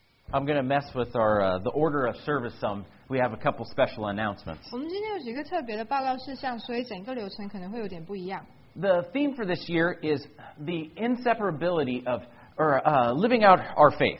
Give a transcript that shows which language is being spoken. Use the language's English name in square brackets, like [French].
[English] I'm going to mess with our, the order of service some. We have a couple special announcements. [Chinese] 我们今天有几个特别的报告事项，所以整个流程可能会有点不一样。 [English] The theme for this year is the inseparability of, or living out our faith.